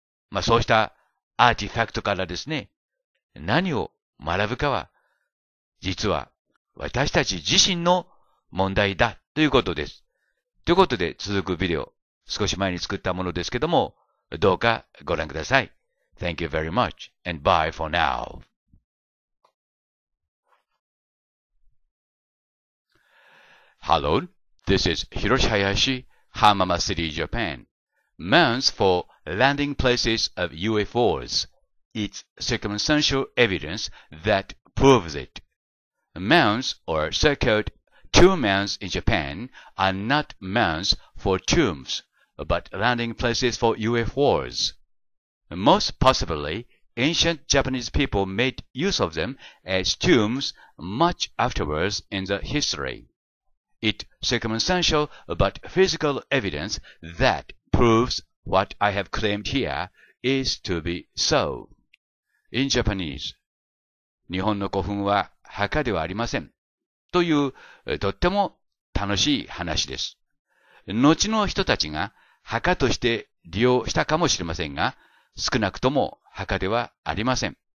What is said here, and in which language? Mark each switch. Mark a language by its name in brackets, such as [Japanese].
[Japanese] まあそうしたアーティファクトからですね、何を学ぶかは、実は私たち自身の問題だということです。ということで続くビデオ、少し前に作ったものですけども、どうかご覧ください。 [English] Thank you very much and bye for now. Hello, this is Hiroshi Hayashi, Hamama City, Japan. Months forLanding places of UFOs. It's circumstantial evidence that proves it. Mounds or so-called tomb mounds in Japan are not mounds for tombs, but landing places for UFOs. Most possibly, ancient Japanese people made use of them as tombs much afterwards in the history. It's circumstantial but physical evidence that provesWhat I have claimed here is to be so. In Japanese, [Japanese] 日本の古墳は墓ではありません。というとっても楽しい話です。後の人たちが墓として利用したかもしれませんが、少なくとも墓ではありません。